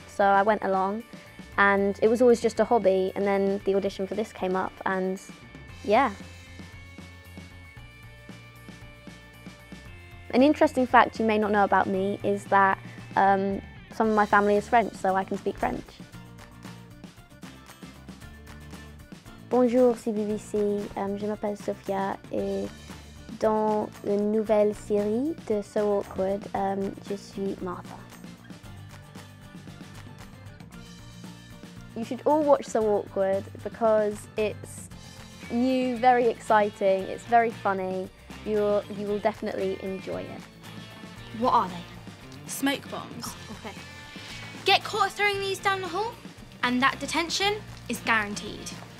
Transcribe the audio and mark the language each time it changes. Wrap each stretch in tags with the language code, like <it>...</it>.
<en>So I went along, and it was always just a hobby, and then the audition for this came up, and yeah. An interesting fact you may not know about me is that some of my family is French, so I can speak French.</en> <fr>Bonjour CBBC, je m'appelle Sophia et dans la nouvelle série de So Awkward, je suis Martha.</fr> <en>You should all watch So Awkward because it's new, very exciting, it's very funny. You will definitely enjoy it. What are they? Smoke bombs. Oh, okay. Get caught throwing these down the hall and that detention is guaranteed.</en>